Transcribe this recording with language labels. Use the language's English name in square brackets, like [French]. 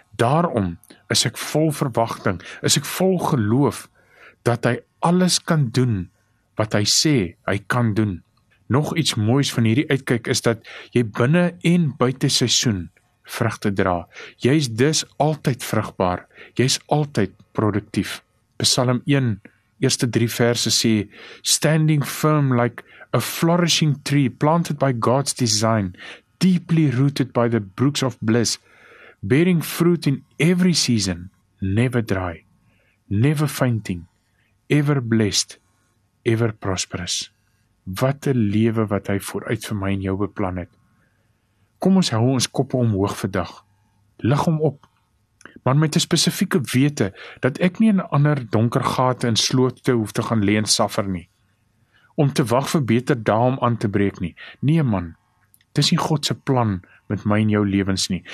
[Afrikaans] Daarom is ek vol verwagting, is ek vol geloof, dat hy alles kan doen wat hy sê hy kan doen. Nog iets moois van hierdie uitkyk is dat jy binne en buite seisoen vrugte dra. Jy is dus altyd vrugbaar. Jy is altyd produktief. Psalm 1, eerste 3 verse sê, [English] standing firm like a flourishing tree planted by God's design, deeply rooted by the brooks of bliss, bearing fruit in every season, never dry, never fainting, ever blessed, ever prosperous. [Afrikaans] Wat 'n lewe wat hy vooruit vir my en jou beplan het. Kom ons hou ons koppe omhoog vandag. Lig hom op. Maar met 'n spesifieke wete dat ek nie in 'n ander donker gate en sloot te hoef te gaan leen saffer nie. Om te wag vir beter dae om aan te breek nie. Nee man, dis nie God se plan met my en jou lewens nie.